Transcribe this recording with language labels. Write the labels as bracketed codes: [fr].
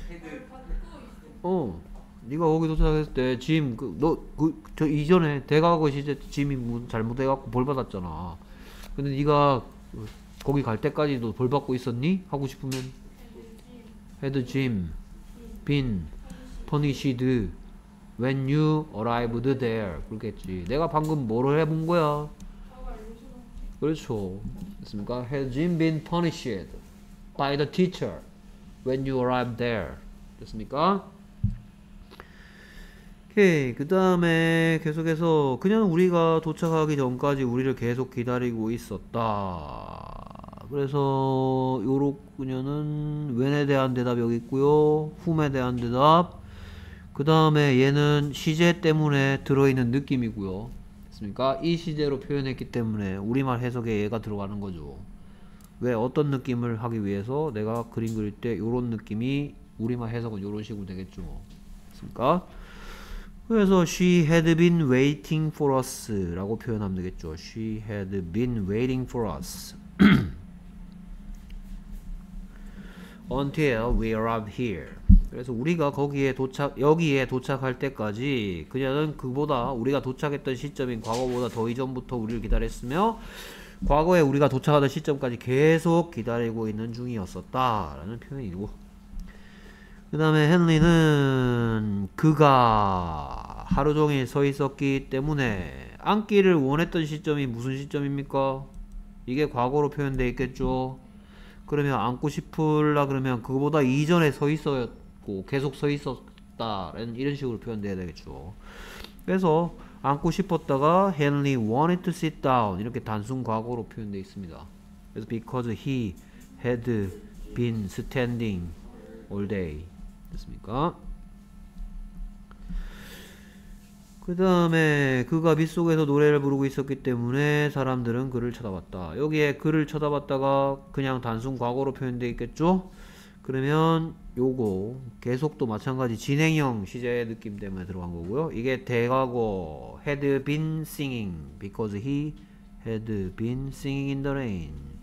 [ko] 네가 거기 도착했을 때 짐 그 너 그 저 이전에 대과거 시제 짐이 잘못해갖고 벌 받았잖아. 근데 네가 거기 갈 때까지도 벌 받고 있었니? 하고 싶으면 [en] had Jim been punished when you arrived there [ko] 그렇겠지. 내가 방금 뭐를 해본 거야? 그렇죠. 됐습니까? [en] had Jim been punished by the teacher when you arrived there [ko] 됐습니까? 오케이. 그 다음에 계속해서 그냥 우리가 도착하기 전까지 우리를 계속 기다리고 있었다. 그래서 요렇 그녀는 when에 대한 대답 여기 있고요. whom에 대한 대답. 그 다음에 얘는 시제 때문에 들어있는 느낌이고요. 됐습니까? 이 시제로 표현했기 때문에 우리말 해석에 얘가 들어가는 거죠. 왜 어떤 느낌을 하기 위해서 내가 그림 그릴 때 요런 느낌이 우리말 해석은 요런 식으로 되겠죠. 됐습니까? 그래서 [en] she had been waiting for us [ko] 라고 표현하면 되겠죠. [en] she had been waiting for us until we arrived here. [ko] 그래서 우리가 거기에 도착 여기에 도착할 때까지 그녀는 그보다 우리가 도착했던 시점인 과거보다 더 이전부터 우리를 기다렸으며 과거에 우리가 도착하던 시점까지 계속 기다리고 있는 중이었었다 라는 표현이고 그 다음에 헨리는 그가 하루 종일 서 있었기 때문에 앉기를 원했던 시점이 무슨 시점입니까? 이게 과거로 표현되어 있겠죠. 그러면 앉고 싶을라 그러면 그거보다 이전에 서 있었고 계속 서 있었다라는 이런 식으로 표현되어야 되겠죠. 그래서 앉고 싶었다가 [en] Henry wanted to sit down [ko] 이렇게 단순 과거로 표현되어 있습니다. 그래서 [en] because he had been standing all day [ko] 됐습니까? 그 다음에 그가 빗속에서 노래를 부르고 있었기 때문에 사람들은 그를 쳐다봤다. 여기에 그를 쳐다봤다가 그냥 단순 과거로 표현되어 있겠죠? 그러면 요거 계속도 마찬가지 진행형 시제의 느낌 때문에 들어간 거고요. 이게 대과거 [en] had been singing because he had been singing in the rain.